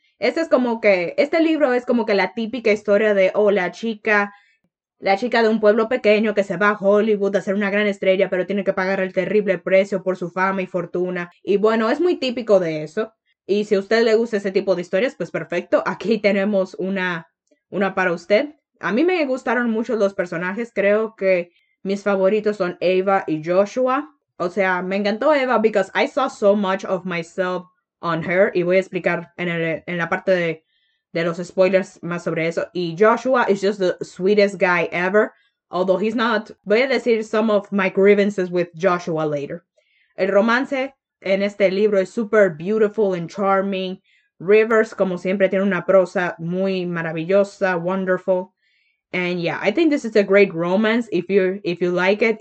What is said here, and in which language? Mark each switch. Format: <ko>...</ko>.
<es>Este libro es como que la típica historia de la chica de un pueblo pequeño que se va a Hollywood a ser una gran estrella, pero tiene que pagar el terrible precio por su fama y fortuna. Y bueno, es muy típico de eso. Y si a usted le gusta ese tipo de historias, pues perfecto. Aquí tenemos una para usted. A mí me gustaron mucho los personajes. Creo que mis favoritos son Ava y Joshua. O sea, me encantó</es> <en>Ava because I saw so much of myself on her.</en> <es>Y voy a explicar en la parte de los spoilers más sobre eso.</es> <en>Y Joshua is just the sweetest guy ever. Although he's not.</en> <es>Voy a decir</es> <en>some of my grievances with Joshua later.</en> <es>El romance en este libro es super</es> <en>beautiful and charming.</en> <es>Rivers, como siempre, tiene una prosa muy maravillosa, wonderful.</es> <en>And yeah, I think this is a great romance if you like it.</en>